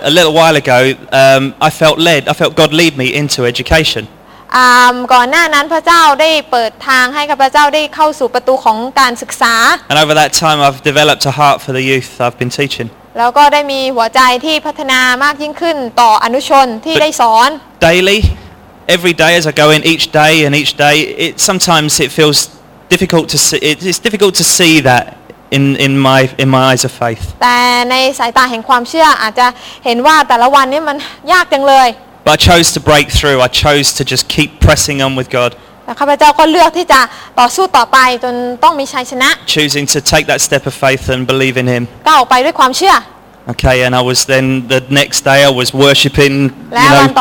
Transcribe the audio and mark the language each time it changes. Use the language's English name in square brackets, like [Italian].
[English] A little while ago, I felt God lead me into education. [Thai] ก่อนหน้านั้นพระเจ้าได้เปิดทางให้กับพระเจ้าได้เข้าสู่ประตูของการศึกษา [English] And over that time I've developed a heart for the youth I've been teaching [Thai] แล้วก็ได้มีหัวใจที่พัฒนามากยิ่งขึ้นต่ออนุชนที่ได้สอน [English] Daily every day as I go in each day and each day it sometimes it feels difficult to see it's difficult to see thatin my eyes of faith [Thai] แต่ในสายตาแห่งความเชื่ออาจจะเห็นว่าแต่ละวันนี้มันยากจังเลย [English] But I chose to break through. I chose to just keep pressing on with God. [Thai] ข้าพเจ้าก็เลือกที่จะต่อสู้ต่อไปจนต้องมีชัยชนะ [English] Choosing to take that step of faith and believe in Him. [Thai] ก้าวออกไปด้วยความเชื่อ [English] Okay, and I was then the next day I was worshiping, you know,